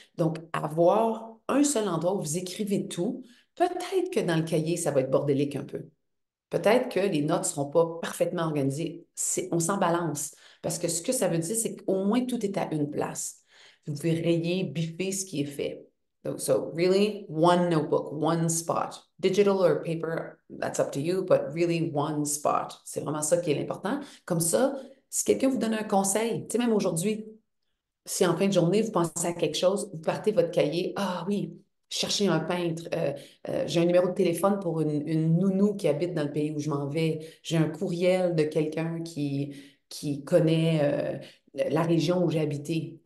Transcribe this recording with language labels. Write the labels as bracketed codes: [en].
[fr] Donc, avoir un seul endroit où vous écrivez tout, peut-être que dans le cahier, ça va être bordélique un peu. Peut-être que les notes ne seront pas parfaitement organisées. On s'en balance. Parce que ce que ça veut dire, c'est qu'au moins tout est à une place. Vous pouvez rayer, biffer ce qui est fait. [en] Donc, so really, one notebook, one spot. Digital or paper, that's up to you, but really one spot. [fr] C'est vraiment ça qui est important. Comme ça, si quelqu'un vous donne un conseil, tu sais, même aujourd'hui, si en fin de journée, vous pensez à quelque chose, vous partez votre cahier, ah oui, cherchez un peintre, j'ai un numéro de téléphone pour une nounou qui habite dans le pays où je m'en vais, j'ai un courriel de quelqu'un qui connaît la région où j'ai habité.